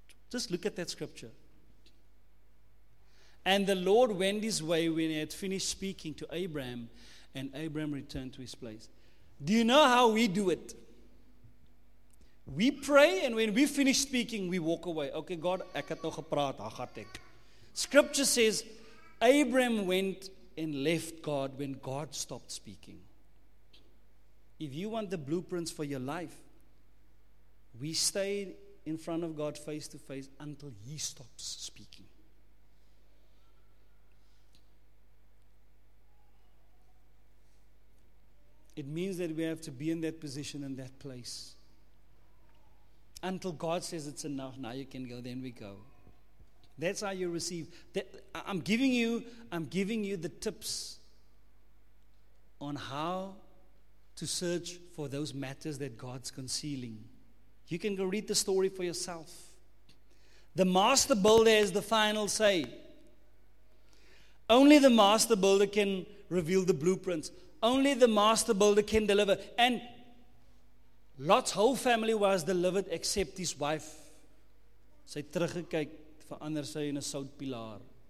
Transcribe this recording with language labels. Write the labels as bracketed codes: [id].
[en] Just look at that scripture. And the Lord went his way when he had finished speaking to Abraham, and Abraham returned to his place. Do you know how we do it? We pray, and when we finish speaking, we walk away. [af] Okay, God, ek het nou gepraat, ha gat ek. [en] Scripture says, Abraham went and left God when God stopped speaking. If you want the blueprints for your life, we stay in front of God face to face until he stops speaking. It means that we have to be in that position, in that place. Until God says it's enough, now you can go, then we go. That's how you receive. I'm giving you the tips on how to search for those matters that God's concealing. You can go read the story for yourself. The master builder has the final say. Only the master builder can reveal the blueprints. Only the master builder can deliver. And Lot's whole family was delivered except his wife. [af] Sy het teruggekyk, verander sy in 'n soutpilaar.